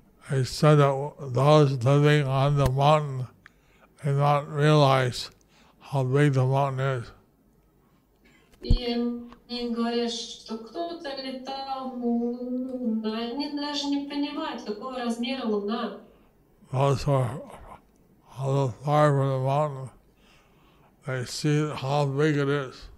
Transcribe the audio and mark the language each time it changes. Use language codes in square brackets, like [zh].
[en] They said that those living on the mountain did not realize how big the mountain is. [ru] И говорят, что кто-то летал в Луну, но они даже не понимают, какого размера Луна. [en] Those who are far from the mountain, they see how big it is.